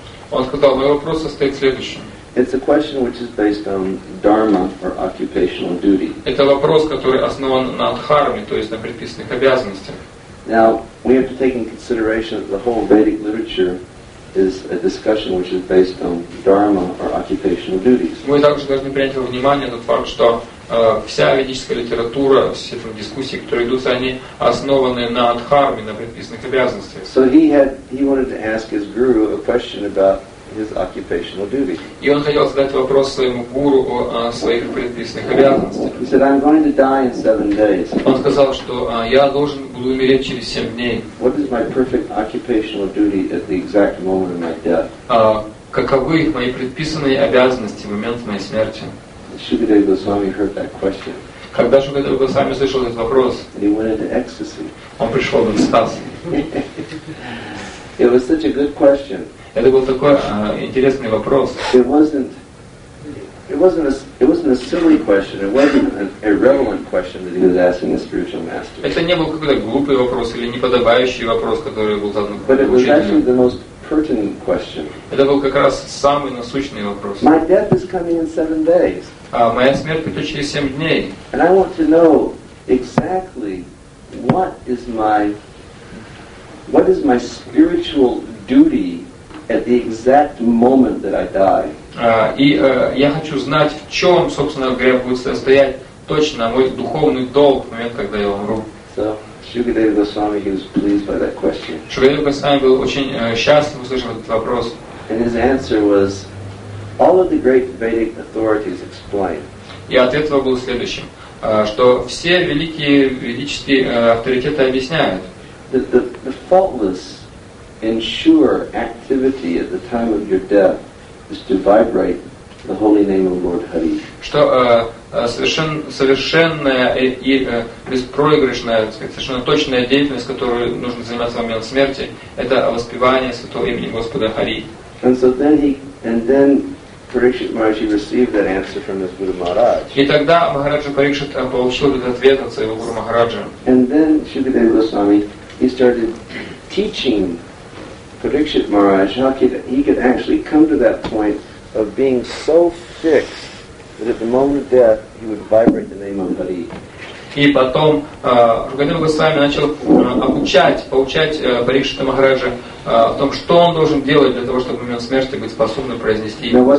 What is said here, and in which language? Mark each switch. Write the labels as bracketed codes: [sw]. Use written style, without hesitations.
[ru] Он сказал, мой вопрос состоит в следующем. [en] It's a question which is based on dharma or occupational duty. [ru] Это вопрос, который основан на дхарме, то есть на предписанных обязанностях. [en] Now we have to take in consideration that the whole Vedic literature is a discussion which is based on dharma or occupational duties. [ru] Мы также должны принять во внимание тот факт, что вся ведическая литература, все эти дискуссии, которые идутся, они основаны на дхарме, на предписанных обязанностях. [en] So he wanted to ask his guru a question about his occupational duty. [ru] И он хотел задать вопрос своему гуру о своих предписанных обязанностях. [en] He said, "I'm going to die in 7 days." [ru] Он сказал, что я должен буду умереть через 7 дней. [en] What is my perfect occupational duty at the exact moment of my death? [ru] Каковы мои предписанные обязанности в момент моей смерти? [en] Shukadeva Goswami heard that question. [ru] Когда Шукадева Госвами слышал этот вопрос, [en] he went into ecstasy. [ru] Он пришел в экстаз. [en] It was such a good question. [ru] Это был такой интересный вопрос. [en] It wasn't a silly question. It wasn't an irrelevant question that he was asking the spiritual master. [ru] Это не был какой-то глупый вопрос или неподобающий вопрос, который был задан учителем. [en] But it was actually the most pertinent question. [ru] Это был как раз самый насущный вопрос. [en] My death is coming in 7 days. [ru] Моя смерть придет через 7 дней. [en] And I want to know exactly what is my spiritual duty at the exact moment that I die. [ru] И я хочу знать, в чем, собственно говоря, будет состоять точно на мой духовный долг в момент, когда я умру. [en] Shukadeva Goswami, he was pleased by that question. [ru] Shukadeva Goswami был очень счастлив услышать этот вопрос. [en] And his answer was, all of the great Vedic authorities explain. [ru] И ответ его был следующим, что все великие ведические авторитеты объясняют. [en] The faultless ensure activity at the time of your death is to vibrate the holy name of Lord Hari. [ru] Что совершенная и беспроигрышная, совершенно точная деятельность, которую нужно заниматься в момент смерти, это воспевание святого имени Господа Хари. [en] And so then and then Parikshit Maharaj received that answer from his Guru Maharaj. [ru] И тогда Махараджа Парикшит получил этот ответ от своего Гуру Махараджа. [en] And then Shukadeva Goswami, he started teaching Parikshit Maharaj how he could actually come to that point of being so fixed that at the moment of death he would vibrate the name of Hari. [ru] И потом Шукадева Госвами начал поучать Парикшита Махараджа о том, что он должен делать для того, чтобы в момент смерти быть способным произнести